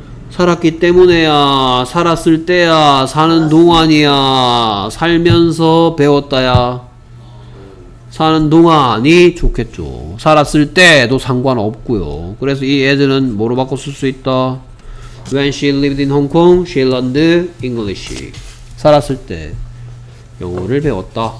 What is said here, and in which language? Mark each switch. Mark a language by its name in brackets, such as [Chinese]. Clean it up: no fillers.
[Korean] 살았기 때문에야, 살았을 때야, 사는 동안이야, 살면서 배웠다야. 사는 동안이 좋겠죠. 살았을 때도 상관없고요. 그래서 이 애들은 뭐로 바꿔 쓸 수 있다? [English] When she lived in Hong Kong, she learned English. [Korean] 살았을 때 영어를 배웠다.